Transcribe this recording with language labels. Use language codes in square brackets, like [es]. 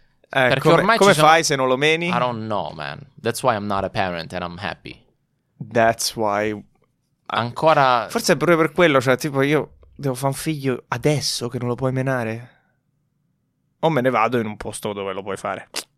[it] Perché ormai come fai se non lo meni? [en] I don't know, man. That's why I'm not a parent and I'm happy. That's why... [it] Ancora... Forse è proprio per quello, cioè, tipo, io devo fare un figlio adesso che non lo puoi menare? O me ne vado in un posto dove lo puoi fare?